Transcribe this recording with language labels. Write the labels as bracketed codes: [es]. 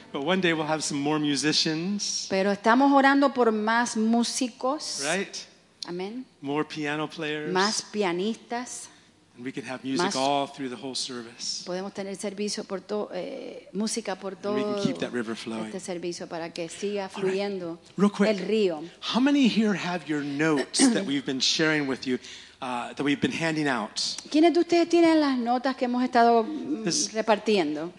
[en] But one day we'll have some more musicians. [es] Pero estamos orando por más músicos. [en] Right. Amen. More piano players. [es] Más pianistas. [en] We could have music all through the whole service. [es] Podemos tener servicio por todo, música por todo. [en] We can keep that river flowing. [es] Este servicio para que siga fluyendo el río. [en] How many here have your notes that we've been sharing with you, that we've been handing out? [es] ¿Quiénes de ustedes tienen las notas que hemos estado repartiendo?